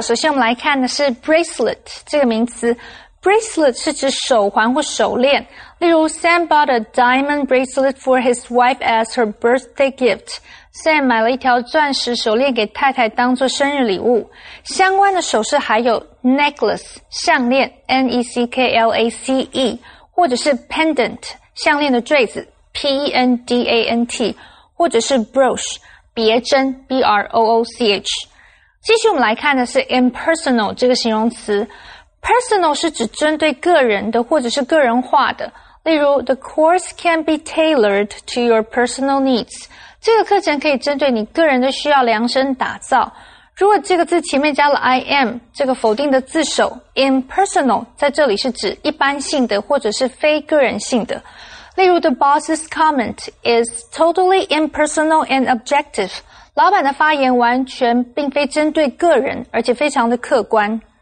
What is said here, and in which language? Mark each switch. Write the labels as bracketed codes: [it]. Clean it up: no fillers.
[zh] 首先我们来看的是 bracelet 这个名词。Bracelet 是指手环或手链。 [en] 例如 Sam bought a diamond bracelet for his wife as her birthday gift. [zh] Sam 买了一条钻石手链给太太当作生日礼物。相关的首饰还有 necklace, 项链 ,necklace, 或者是 pendant, 项链的坠子 ,pendant, 或者是 brooch, 别针 ,brooch。继续我们来看的是 impersonal 这个形容词。Personal 是指针对个人的或者是个人化的。 [en] 例如 ,the course can be tailored to your personal needs. [zh] 这个课程可以针对你个人的需要量身打造。如果这个字前面加了 IM, 这个否定的字首 ,impersonal 在这里是指一般性的或者是非个人性的。 [en] 例如 ,the boss's comment is totally impersonal and objective. [zh] 老板的发言完全并非针对个人，而且非常的客观。